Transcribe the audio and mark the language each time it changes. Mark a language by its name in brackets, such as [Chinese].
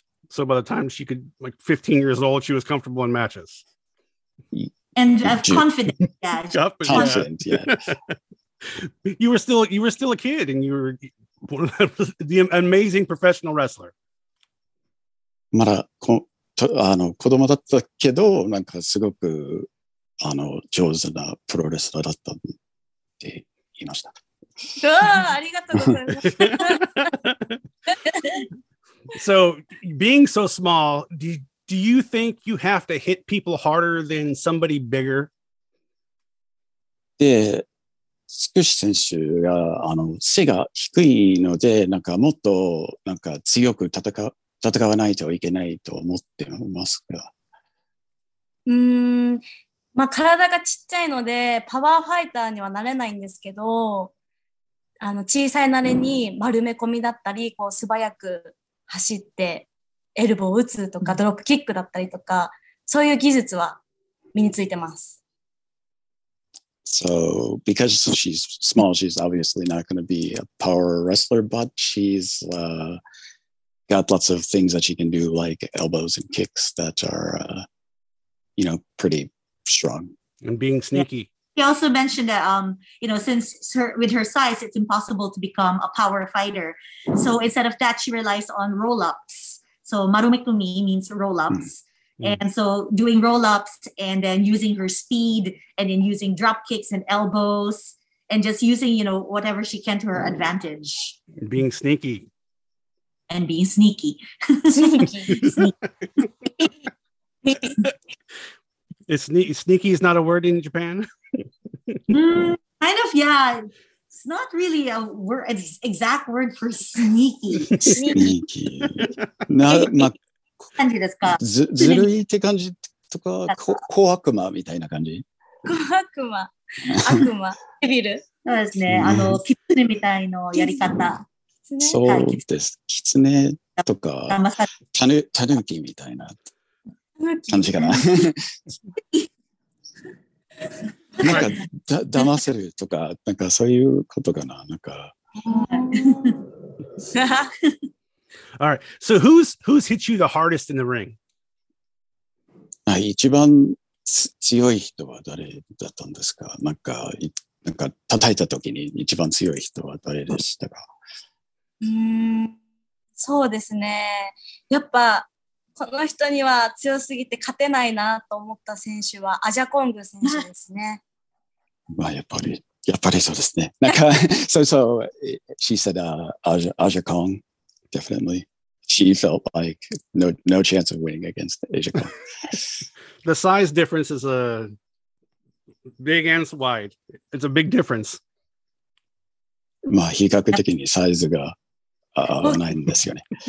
[English] So by the time she could, like 15 years old, she was comfortable in matches. And confident, yeah. Confident, yeah. you were still a kid and you were the amazing professional wrestler. [Japanese] まだあの子供だったけど、なんかすごくあの上手なプロレスラーだったって言いました。ありがとうございます。 [English] So being so small, do you think you have to hit people harder than somebody bigger? [Japanese] で、スクシ選手があの背が低いので、なんかもっとなんか強く戦わないといけないと思ってますが、まあ体がちっちゃいのでパワーファイターにはなれないんですけど、あの小さいなりに丸め込みだったり、こう素早く走ってエルボーを打つとか、ドロップキックだったりとか、そういう技術は身についてます。 [English] So because she's small, she's obviously not going to be a power wrestler, but she'sGot lots of things that she can do, like elbows and kicks that are, you know, pretty strong. And being sneaky. He also mentioned that, you know, since with her size, it's impossible to become a power fighter. So instead of that, she relies on roll-ups. So marumekumi means roll-ups. And so doing roll-ups and then using her speed and then using drop kicks and elbows and just using, you know, whatever she can to her advantage. And being sneaky. And being sneaky. Sneaky is not a word in Japan? kind of, yeah. It's not really a word, an exact word for sneaky. Sneaky. Not, ma, [Japanese] 感じですか？ずるいって感じとか、こ、小悪魔みたいな感じ？小悪魔。悪魔。デビル。そうですね。あの、キツネみたいのやり方。そうです。キツネとか、タヌキみたいな感じかな。なんか、だませるとか、なんかそういうことかな。なんか。 [English] All right. So who's hit you the hardest in the ring? [Japanese] 一番強い人は誰だったんですか？なんか叩いたときに一番強い人は誰でしたか？そうですね。やっぱ、この人には強すぎて勝てないなと思った選手はアジャコング選手ですね。まあやっぱりそうですね。なんかそうそう、 [English] she said Aja Kong definitely. She felt like no chance of winning against Aja Kong. The size difference is a big and wide. It's a big difference. [Japanese] まあ比較的にサイズが合わないんですよね。